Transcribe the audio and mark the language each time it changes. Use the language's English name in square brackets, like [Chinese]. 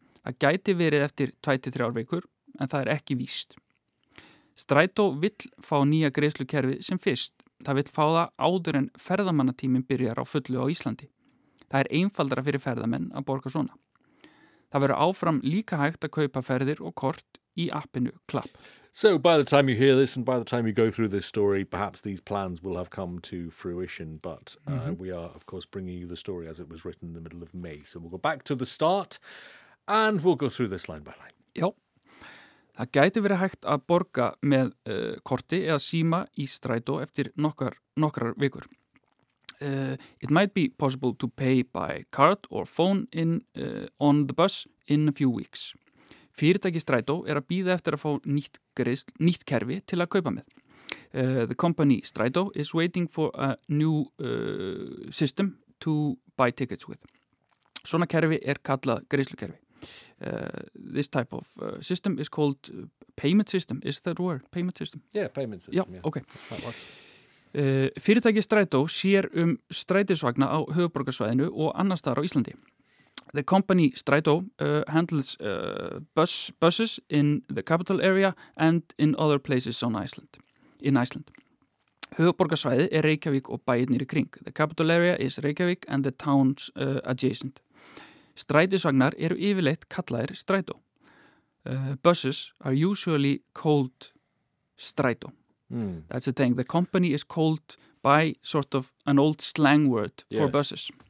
[Icelandic] Það gæti verið eftir 2-3 vikur, en það ekki víst. Strætó vill fá nýja greiðslukerfið sem fyrst. Það vill fá það áður en ferðamannatíminn byrjar á fullu á Íslandi. Það einfaldara fyrir ferðamenn að borga svona. Það verður áfram líka hægt að kaupa ferðir og kort í appinu Klapp. [English] So by the time you hear this and by the time you go through this story, perhaps these plans will have come to fruition. But we are, of course, bringing you the story as it was written in the middle of May. So we'll go back to the start and we'll go through this line by line. [Icelandic] Jó, það gæti verið hægt að borga með korti eða síma í Strætó eftir nokkrar vikur. [English] It might be possible to pay by card or phone on the bus in a few weeks. [Icelandic] Fyrirtæki Strætó að bíða eftir að fá nýtt kerfi til að kaupa með. [English] The company Strætó is waiting for a new system to buy tickets with. [Icelandic] Svona kerfi kallað greiðslukerfi. [English] This type of system is called payment system. Is that word? Payment system? Yeah, payment system. Já, yeah. Okay. [Icelandic] Fyrirtæki Strætó sér strætisvagna á höfuborgarsvæðinu og annars staðar á Íslandi. [English] The company Strætó handles buses in the capital area and in other places on Iceland. In Iceland. [Icelandic] Höfuborgarsvæði Reykjavík og bæirnir í kring. [English] The capital area is Reykjavík and the towns adjacent. [Icelandic] Strætisvagnar yfirleitt kallaðir Strætó. [English] Buses are usually called Strætó. That's the thing. The company is called by sort of an old slang word for buses.